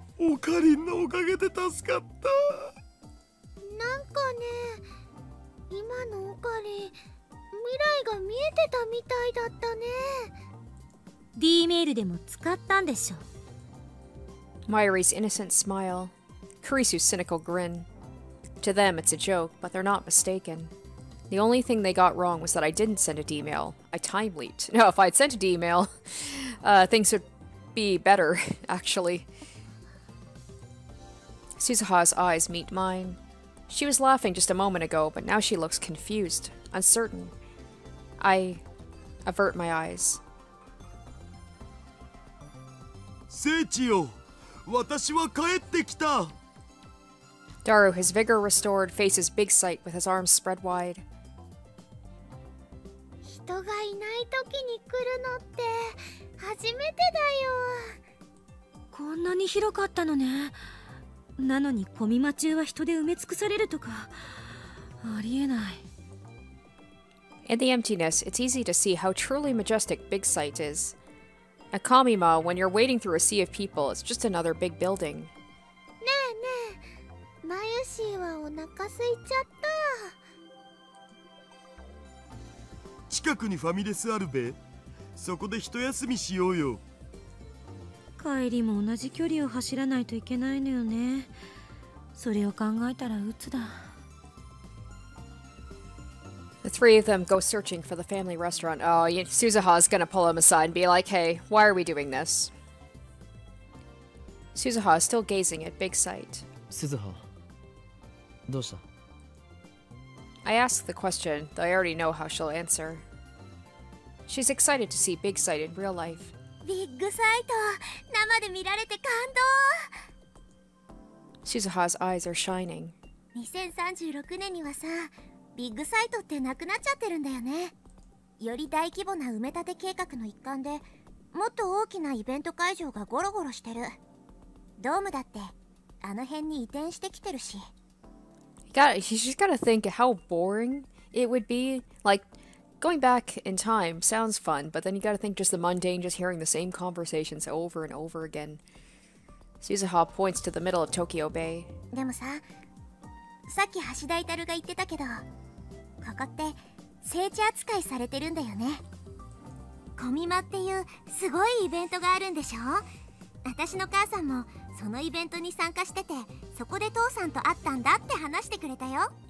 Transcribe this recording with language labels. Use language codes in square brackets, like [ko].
[ja] オカリンのおかげで助かった。なんかね、今のオカリン、未来が見えてたみたいだったね。 D メールでも使ったんでしょ。 [en] Mayuri's innocent smile. Kurisu's cynical grin. To them, it's a joke, but they're not mistaken. The only thing they got wrong was that I didn't send a D-mail. I time leaped. No, if I'd sent a D-mail, things would be better, actually. Suzuha's eyes meet mine. She was laughing just a moment ago, but now she looks confused, uncertain. I avert my eyes. [ja] Seichio! 私は帰ってきた。 [en] Daru, his vigor restored, faces Big Sight with his arms spread wide. [ja] 人がいない時に来るのって初めてだよ。こんなに広かったのね。なのに小見町は人で埋め尽くされるとか、ありえない。 [en] In the emptiness, it's easy to see how truly majestic Big Sight is. A Kamima, when you're wading through a sea of people, it's just another big building. [ja] ねえねえ、マユシーはお腹空いちゃった。近くにファミレスあるべ。そこで一休みしようよ。帰りも同じ距離を走らないといけないのよね。それを考えたら鬱だ。 [en] The three of them go searching for the family restaurant. Oh, Suzuha is gonna pull him aside and be like, hey, why are we doing this? Suzuha is still gazing at Big Sight. [ja] Suzuha, どうした? [en] I ask the question, though I already know how she'll answer. She's excited to see Big Sight in real life. [ja] Big Sight! 生で見られて感動! [en] Suzuha's eyes are shining. [ja] 2036年にはさ、ビッグサイトってなくなっちゃってるんだよね。より大規模な埋め立て計画の一環で、もっと大きなイベント会場がゴロゴロしてる。ドームだって、あの辺に移転してきてるし。 [en] You just gotta think how boring it would be. Like, going back in time sounds fun, but then you gotta think just the mundane, just hearing the same conversations over and over again. Suzuha points to the middle of Tokyo Bay. [ja] でもさ、さっき橋田イタルが言ってたけど、ここって聖地扱いされてるんだよね。コミマっていうすごいイベントがあるんでしょ。私の母さんもそのイベントに参加してて、そこで父さんと会ったんだって話してくれたよ。